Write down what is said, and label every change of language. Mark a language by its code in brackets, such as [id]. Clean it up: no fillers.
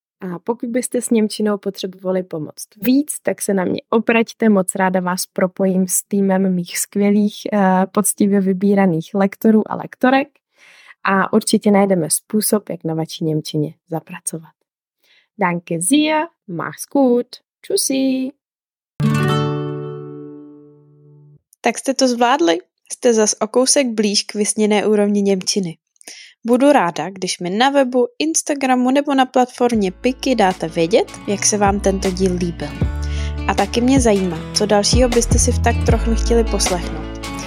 [cs] A pokud byste s němčinou potřebovali pomoct víc, tak se na mě obraťte, moc ráda vás propojím s týmem mých skvělých, poctivě vybíraných lektorů a lektorek a určitě najdeme způsob, jak na vaší němčině zapracovat. [de] Danke sehr, mach's gut, tschüssi! [cs] Tak jste to zvládli, jste zas o kousek blíž k vysněné úrovni němčiny. Budu ráda, když mi na webu, Instagramu nebo na platformě Piki dáte vědět, jak se vám tento díl líbil. A taky mě zajímá, co dalšího byste si v tak trochu chtěli poslechnout.